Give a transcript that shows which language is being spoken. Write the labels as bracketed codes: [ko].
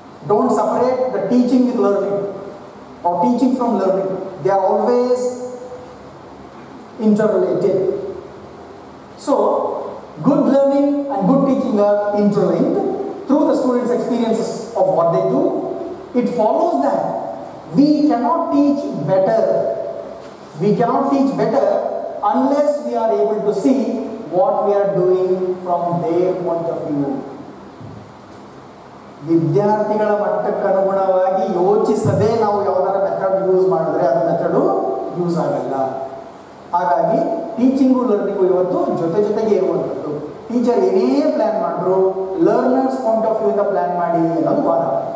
[en] Don't separate the teaching with learning or teaching from learning. They are always interrelated. So good learning and good teaching are interlinked through the students experiences of what they do. It follows that we cannot teach better. We cannot teach better unless we are able to see what we are doing from their point of view. [kn] ವಿದ್ಯಾರ್ಥಿಗಳ ಮಟ್ಟಕ್ಕೆ ಅನುಗುಣವಾಗಿ ಯೋಚಿಸದೆ ನಾವು ಯಾವ್ದಾರ method use ಮಾಡಿದ್ರೆ ಅದು method use ಆಗಲ್ಲ. ಹಾಗಾಗಿ teaching learning ಇವತ್ತು ಜೊತೆ ಜೊತೆಗೆ ಇರುವಂಥದ್ದು. ಟೀಚರ್ ಏನೇ ಪ್ಲಾನ್ ಮಾಡಿದ್ರು ಲರ್ನರ್ಸ್ ಪಾಯಿಂಟ್ ಆಫ್ ವ್ಯೂ ಇಂದ ಪ್ಲಾನ್ ಮಾಡಿ ಅನ್ನೋದು ವಾದ.